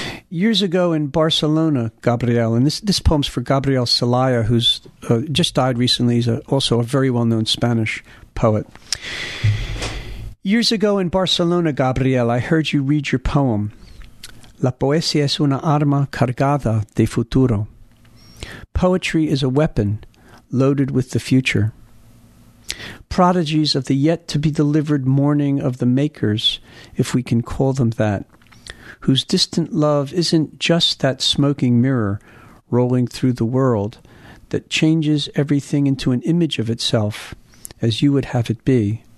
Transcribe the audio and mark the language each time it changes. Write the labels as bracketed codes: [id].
[en] Years ago in Barcelona, Gabriel, and this poem's for Gabriel Celaya, who's just died recently. He's also a very well-known Spanish poet. Years ago in Barcelona, Gabriel, I heard you read your poem. [es] La poesía es una arma cargada de futuro. [en] Poetry is a weapon loaded with the future. Prodigies of the yet-to-be-delivered morning of the makers, if we can call them that, whose distant love isn't just that smoking mirror rolling through the world that changes everything into an image of itself, as you would have it be.